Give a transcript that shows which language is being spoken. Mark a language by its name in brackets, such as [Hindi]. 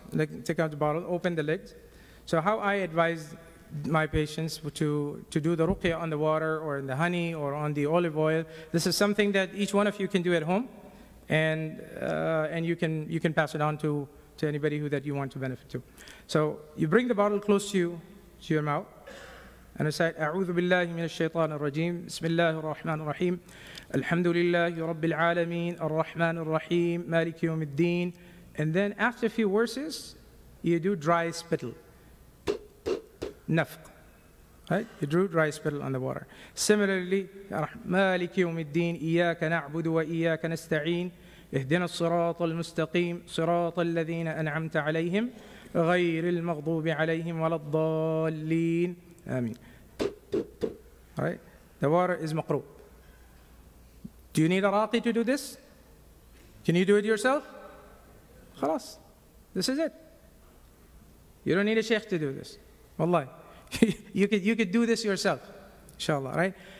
[English] Let's take out the bottle, open the lids. So how I advise my patients to do the ruqya on the water or in the honey or on the olive oil, this is something that each one of you can do at home, and you can pass it on to anybody who that you want to benefit to. So you bring the bottle close to you, to your mouth, and I say, A'udhu billahi minash shaitanir rajim, bismillahir rahmanir rahim. [Arabic] الحمد لله رب العالمين الرحمن الرحيم مالك يوم الدين. [English] And then after a few verses, you do dry spittle. [Arabic] نفق. [English] Right? You do dry spittle on the water. Similarly, [Arabic] مالك يوم الدين إياك نعبد وإياك نستعين اهدنا الصراط المستقيم صراط الذين أنعمت عليهم غير المغضوب عليهم ولا الضالين. آمين. [English] Right? The water is مقروء. Do you need a raqi to do this? Can you do it yourself? Khalas. This is it. You don't need a sheikh to do this. Wallahi. you could do this yourself, inshallah, right?